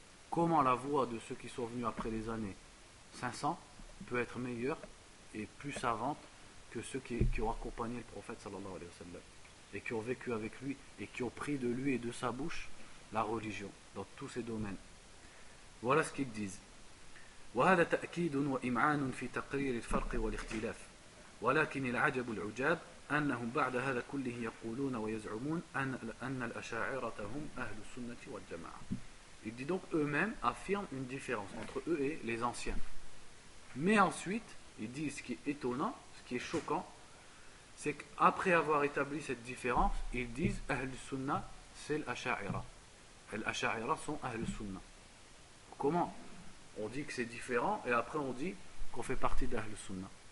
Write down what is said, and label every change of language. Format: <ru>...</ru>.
<fr>Comment la voie de ceux qui sont venus après les années 500 peut être meilleure et plus savante que ceux qui ont accompagné le prophète sallallahu alayhi wa sallam et qui ont vécu avec lui et qui ont pris de lui et de sa bouche la religion dans tous ses domaines. Voilà ce qu'ils disent.</fr> <ar>وهذا تأكيد وإمعان في تقرير الفرق والاختلاف ولكن العجب العجاب أنهم بعد هذا كله يقولون ويزعمون أن الأشاعرة هم أهل السنة والجماعة.</ar> <fr>Ils disent donc eux-mêmes affirment une différence entre eux et les anciens. Mais ensuite, il dit ce qui est étonnant, ce qui est choquant, c'est qu'après avoir établi cette différence, ils disent Ahl Sunnah, c'est l'Asha'ira. L'Asha'ira sont Ahl Sunnah. Comment? On dit que c'est différent et après on dit qu'on fait partie d'Ahl Sunnah.</fr>